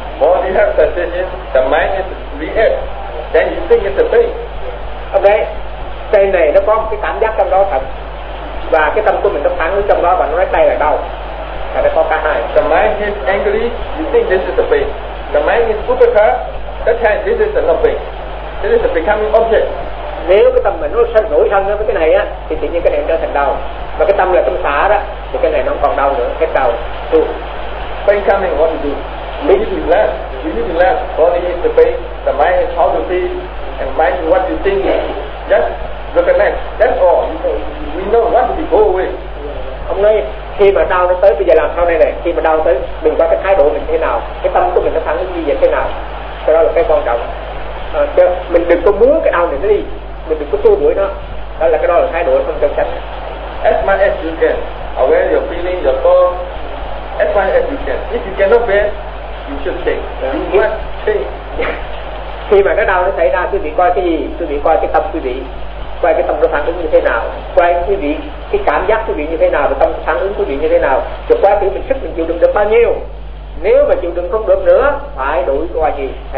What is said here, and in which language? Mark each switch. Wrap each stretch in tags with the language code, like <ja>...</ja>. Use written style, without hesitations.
<en>Body has sensation, the mind is react. Then you think it's a pain. Ok.</en> <vi>Cái này nó có một cái cảm giác trong đó thật. Và cái tâm của mình nó phản ứng trong đó và nó nói đây là đau. Và nó có cả hai.</vi> <en>The mind is angry, you think this is a pain. The mind is put a car, that time this is a nothing. This is a becoming object.</en> <vi>Nếu cái tâm mình nó sân nổi thân với cái này á, thì tự nhiên cái này nó trở thành đau. Và cái tâm là tâm xả đó, thì cái này nó còn đau nữa, hết đau. Tu.</vi> <en>Pain coming, what to do? You need to learn. Body is the pain, the mind is how to feel, and mind is what you think. Just recognize, that's all. We know what to go away.</en> <vi>Ông nói, khi mà đau nó tới, bây giờ làm sao đây này, khi mà đau tới, mình có cái thái độ mình thế nào, cái tâm của mình nó thẳng như vậy thế nào, cái đó là cái quan trọng. À, mình đừng có muốn cái đau này nó đi, mình đừng có tu đuổi nó, đó là cái đó là thái độ không chân chánh.</vi> <en>As much as you can, aware your feeling, your thought, as much as you can. If you cannot bear, you should change. You must change.</en> <vi>Khi mà cái đau nó xảy ra, quý vị coi cái gì? Quý vị coi cái tâm quý vị, coi cái tâm nó phản ứng như thế nào, coi quý vị cái cảm giác quý vị như thế nào, và tâm phản ứng quý vị như thế nào. Rồi coi thử mình sức mình chịu đựng được bao nhiêu. Nếu mà chịu đựng không được nữa, phải đuổi coi gì?</vi>